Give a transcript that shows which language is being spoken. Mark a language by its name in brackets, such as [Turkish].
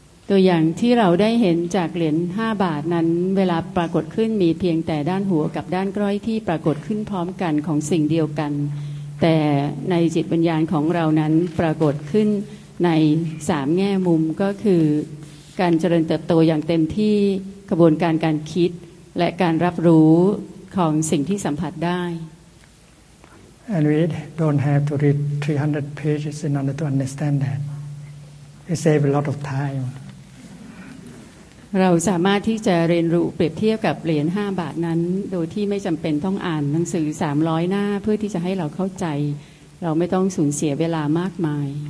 [Thai] ตัวอย่างที่เราได้เห็นจากเหรียญ5บาทนั้นเวลาปรากฏขึ้นมีเพียงแต่ด้านหัวกับด้านก้อยที่ปรากฏขึ้นพร้อมกันของสิ่งเดียวกันแต่ในจิตวิญญาณของเรานั้นปรากฏขึ้นใน3แง่มุมก็คือการเจริญเติบโตอย่างเต็มที่กระบวนการการคิดและการรับรู้ของสิ่งที่สัมผัสได้ [English] And we don't have to read 300 pages in order to understand that. It saves a lot of time. [Thai] เราสามารถที่จะเรียนรู้เปรียบเทียบกับเหรียญ5บาทนั้นโดยที่ไม่จำเป็นต้องอ่านหนังสือ300หน้าเพื่อที่จะให้เราเข้าใจเราไม่ต้องสูญเสียเวลามากมาย